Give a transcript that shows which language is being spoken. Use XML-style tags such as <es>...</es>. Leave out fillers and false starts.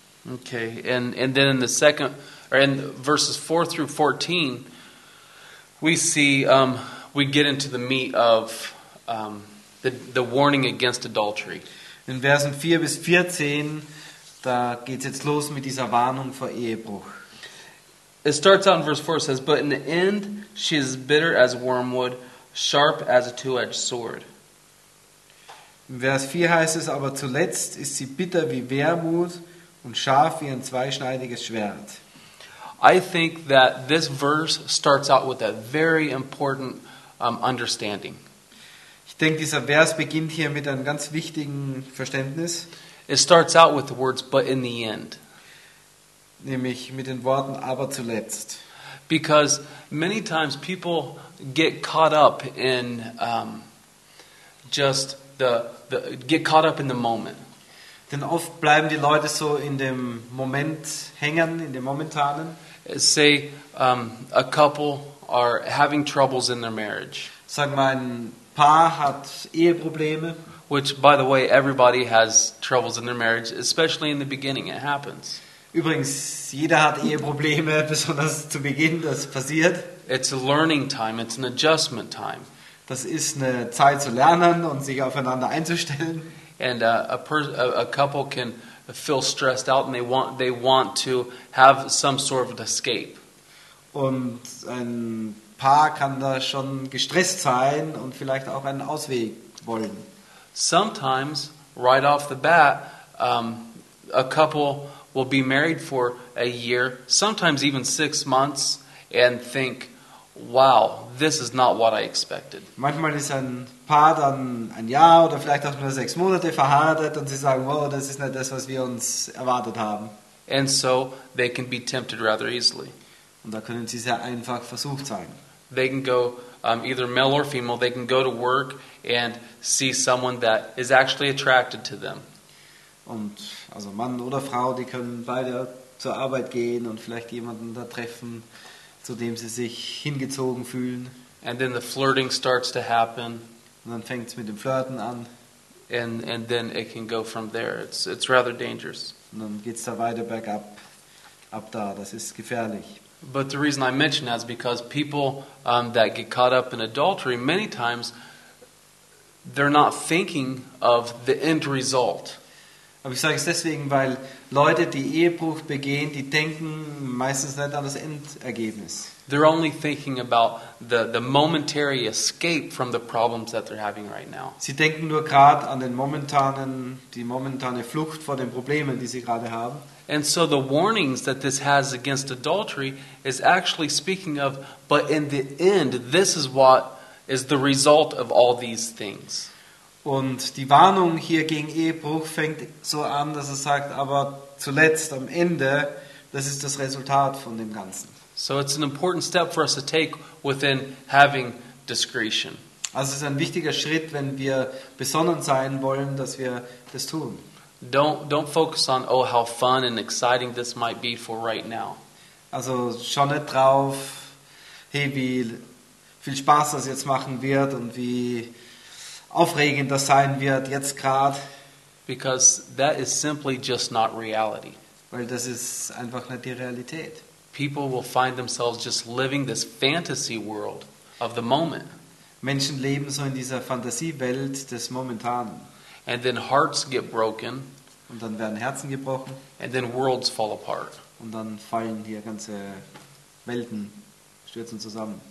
<en>Okay, and then in the second, or in verses 4 through 14, we see we get into the meat of the warning against adultery.</en> <de>In Versen 4 bis 14, da geht's jetzt los mit dieser Warnung vor Ehebruch.</de> <en>It starts out in verse 4, it says, but in the end she is bitter as wormwood, sharp as a two-edged sword.</en> <de>In Vers 4 heißt es, aber zuletzt ist sie bitter wie Wermut und scharf wie ein zweischneidiges Schwert.</de> <en>I think that this verse starts out with a very important understanding.</en> <de>Ich denke, dieser Vers beginnt hier mit einem ganz wichtigen Verständnis.</de> <en>It starts out with the words, but in the end.</en> <de>Nämlich mit den Worten, aber zuletzt.</de> <en>Because many times people get caught up in get caught up in the moment.</en> <de>Denn oft bleiben die Leute so in dem Moment hängen, in dem Momentanen.</de> <en>Say, a couple are having troubles in their marriage.</en> <de>Sag mal, ein Paar hat Eheprobleme.</de> <en>Which, by the way, everybody has troubles in their marriage, especially in the beginning. It happens.</en> <de>Übrigens, jeder hat Eheprobleme, besonders zu Beginn. Das passiert.</de> <en>It's a learning time. It's an adjustment time.</en> <de>Das ist eine Zeit zu lernen und sich aufeinander einzustellen.</de> <en>And a couple can feel stressed out and they want to have some sort of an escape.</en> <de>Und ein Paar kann da schon gestresst sein und vielleicht auch einen Ausweg wollen.</de> <en>Sometimes, right off the bat, a couple will be married for a year, sometimes even 6 months, and think, wow, this is not what I expected.</en> <de>Manchmal ist ein Paar dann ein Jahr oder vielleicht auch nur 6 Monate verheiratet und sie sagen, wow, das ist nicht das, was wir uns erwartet haben.</de> <en>And so they can be tempted rather easily.</en> <de>Und da können sie sehr einfach versucht sein.</de> <en>They can go, either male or female, they can go to work and see someone that is actually attracted to them.</en> <de>Und also Mann oder Frau, die können beide zur Arbeit gehen und vielleicht jemanden da treffen, zu dem sie sich hingezogen fühlen.</de> <en>And then the flirting starts to happen.</en> <de>Und dann fängt es mit dem Flirten an.</de> <en>And then it can go from there. It's rather dangerous.</en> <de>Und dann geht's da weiter bergab, ab da. Das ist gefährlich.</de> <en>But the reason I mention that is because people that get caught up in adultery, many times they're not thinking of the end result.</en> <de>Aber ich sage es deswegen, weil Leute, die Ehebruch begehen, die denken meistens nicht an das Endergebnis.</de> <en>They're only thinking about the momentary escape from the problems that they're having right now.</en> <de>Sie denken nur gerade an die momentane Flucht vor den Problemen, die sie gerade haben.</de> <en>And so the warnings that this has against adultery is actually speaking of, but in the end, this is what is the result of all these things.</en> <de>Und die Warnung hier gegen Ehebruch fängt so an, dass es sagt, aber zuletzt, am Ende, das ist das Resultat von dem Ganzen.</de> <en>So it's an important step for us to take within having discretion.</en> <de>Also es ist ein wichtiger Schritt, wenn wir besonnen sein wollen, dass wir das tun.</de> <en>Don't focus on, oh, how fun and exciting this might be for right now.</en> <de>Also schau nicht drauf, hey, wie viel Spaß das jetzt machen wird und wie aufregend das sein wird jetzt gerade.</de> <en>Because that is simply just not reality.</en> <de>Weil das ist einfach nicht die Realität.</de> <en>People will find themselves just living this fantasy world of the moment.</en> <de>Menschen leben so in dieser Fantasiewelt des Momentanen.</de> <en>And then hearts get broken.</en> <de>Und dann werden Herzen gebrochen.</de> <en>And then worlds fall apart.</en> <de>Und dann fallen hier ganze Welten, stürzen zusammen.</de>